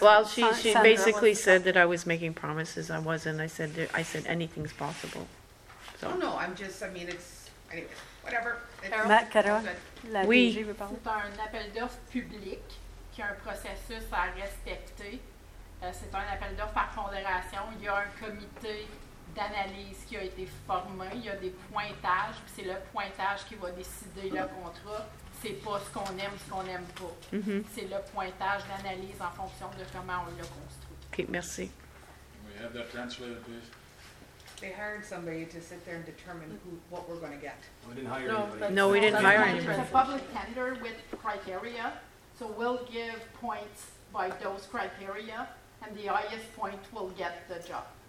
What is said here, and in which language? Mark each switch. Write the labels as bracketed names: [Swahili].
[English] Well, she basically said that I was making promises. I wasn't. I said anything's possible. So. Oh, no, I'm just, I mean, it's, anyway, whatever. [French] Matt Caron, la oui. DG veut parler. C'est un appel d'offres public qui a un processus à respecter. C'est un appel d'offres par pondération. Il y a un comité d'analyse qui a été formé. Il y a des pointages. Puis c'est le pointage qui va décider le contrat. C'est pas ce qu'on aime, ce qu'on n'aime pas. Mm-hmm. C'est le pointage d'analyse en fonction de comment on l'a construit. OK, merci. [English] We have that translated, please. They hired somebody to sit there and determine what we're going to get. We didn't hire anybody. No, we didn't hire anybody. It's a public tender with criteria. So we'll give points by those criteria, and the highest point will get the job.